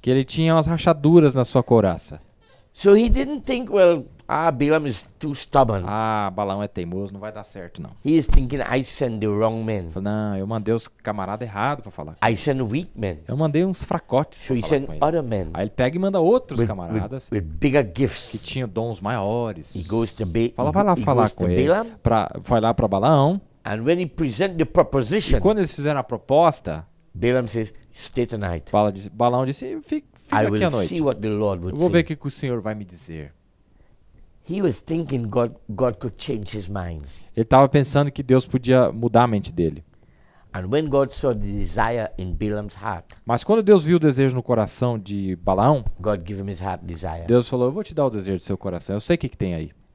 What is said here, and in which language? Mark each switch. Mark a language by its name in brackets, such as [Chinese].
[Portuguese] Que ele tinha umas rachaduras na sua couraça. [English] So he didn't think, well, Balaam is too stubborn. [Portuguese] Balaam é teimoso, não vai dar certo não. [English] He is thinking, I send the wrong man. [Portuguese] Falei, não, eu mandei os camarada errado para falar. [English] I send weak men. [Portuguese] Eu mandei uns fracotes. [English] So he sent other men. [Portuguese] Aí ele pega e manda outros camaradas. [English] With bigger gifts. [Portuguese] Que tinham dons maiores. [English] He goes to Balaam. [Portuguese] Fala, vai lá falar com ele. Para vai lá para Balaão. [English] And when he present the proposition. [Portuguese] E quando eles fizeram a proposta, [English] Balaam says, stay tonight. [Portuguese] Balaão disse, fica [English] I [Portuguese] aqui [English] will [Portuguese] a noite. [English] See what the Lord would [Portuguese] eu vou [English] say. [Portuguese] Ver o que o Senhor vai me dizer. [English] He was thinking God could change his mind. [Portuguese] Ele estava pensando que Deus podia mudar a mente dele. [English] And when God saw the desire in Balaam's heart, [Portuguese] mas quando Deus viu o desejo no coração de Balaão, [English] God gave him his heart desire. [Portuguese] Deus falou, eu vou te dar o desejo do seu coração, eu sei o que tem aí.